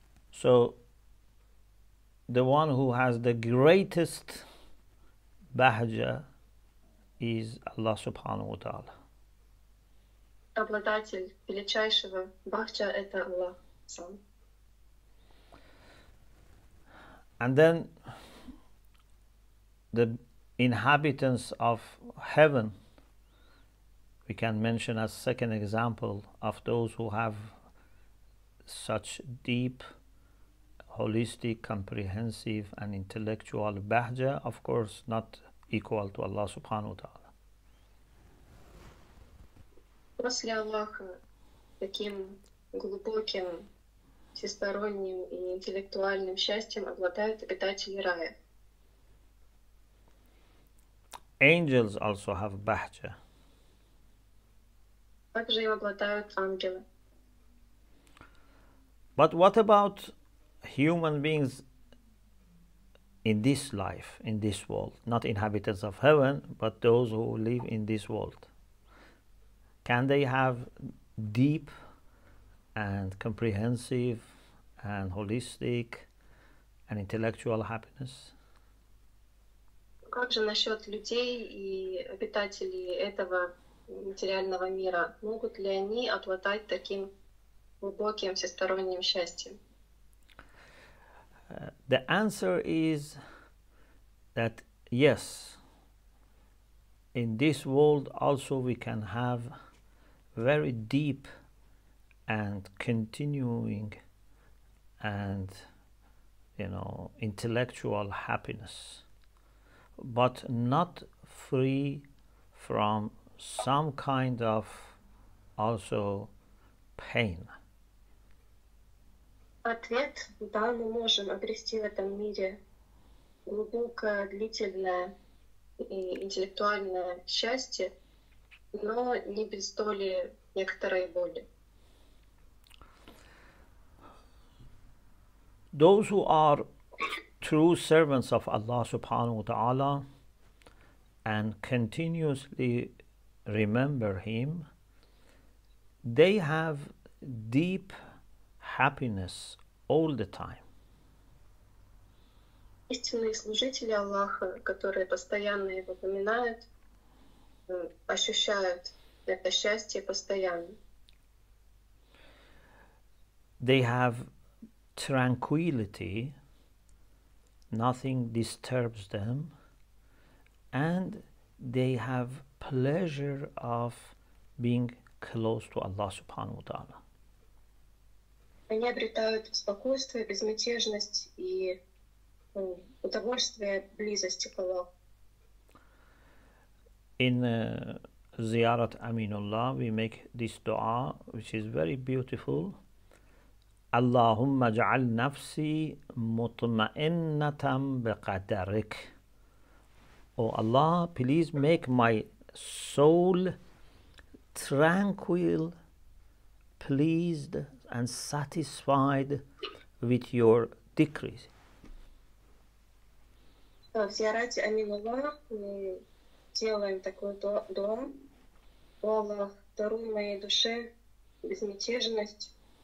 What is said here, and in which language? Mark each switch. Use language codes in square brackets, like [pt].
[en] So, the one who has the greatest bahja is Allah subhanahu wa ta'ala. [ru] Обладатель величайшего бахча — это Аллах сам. [en] And then, the inhabitants of heaven, we can mention as second example of those who have such deep, holistic, comprehensive, and intellectual bahja, of course, not equal to Allah subhanahu wa ta'ala. [ru] После Аллаха таким глубоким, всесторонним и интеллектуальным счастьем обладают обитатели рая. [en] Angels also have bahja. [ru] Также им обладают ангелы. [en] But what about human beings in this life, in this world, not inhabitants of heaven, but those who live in this world, can they have deep and comprehensive and holistic and intellectual happiness? [ru] Как же насчет людей и обитателей этого материального мира? Могут ли они обладать таким глубоким всесторонним счастьем? [en] The answer is that yes, in this world also we can have very deep and continuing and, you know, intellectual happiness, but not free from some kind of also pain. [ru] Ответ, да, мы можем обрести в этом мире глубокое, длительное и интеллектуальное счастье, но не без доли некоторой боли. [en] Those who are true servants of Allah subhanahu wa ta'ala and continuously remember Him, they have deep happiness all the time. [ru] Истинные служители Аллаха, которые постоянно Его поминают, ощущают это счастье постоянно. [en] They have tranquility. Nothing disturbs them, and they have pleasure of being close to Allah subhanahu wa ta'ala. [ru] Они обретают спокойствие, безмятежность и удовольствие близости к Аллаху. [en] In Ziyarat Aminullah, we make this dua, which is very beautiful. [ar] اللهم اجعل نفسي مطمئنة بقدرك. [en] Oh Allah, please make my soul tranquil, pleased and satisfied with your decree. [ru] В зиарате Аминулла делаем такой дом. О Аллах, даруй моей душе безмятежность.